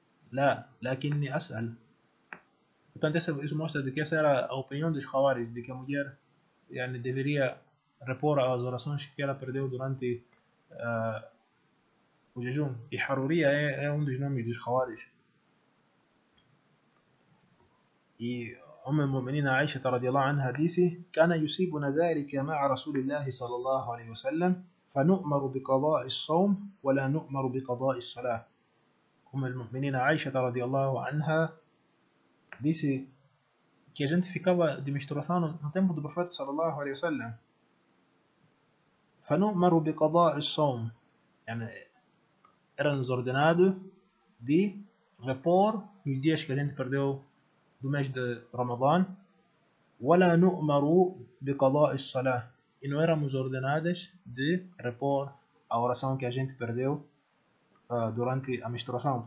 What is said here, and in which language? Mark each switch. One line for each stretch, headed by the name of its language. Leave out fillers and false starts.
Arabic: Lá, lakinni as'al.
Portuguese: Portanto, isso mostra de que essa era a opinião dos Khawarij, de que a mulher, yani, deveria repor as orações que ela perdeu durante o jejum. E Haruria é um dos nomes dos Khawarij.
Arabic: E أم المؤمنين عائشة رضي الله عنها حديثي كان يصيبنا ذلك مع رسول الله صلى الله عليه وسلم فنؤمر بقضاء الصوم ولا نؤمر بقضاء الصلاة. أم المؤمنين عائشة رضي الله عنها حديثي
Portuguese: que a gente ficava de menstruação no tempo do profeta
Arabic: صلى الله عليه وسلم فنؤمر بقضاء الصوم, يعني
Portuguese: era nos ordenado de repor os dias que a gente perdeu do mês de Ramadan,
Arabic: وَلَا نُؤْمَرُوا بِقَضَاءِ الصَّلَاةِ,
Portuguese: e não éramos ordenadas de repor a oração que a gente perdeu durante a menstruação.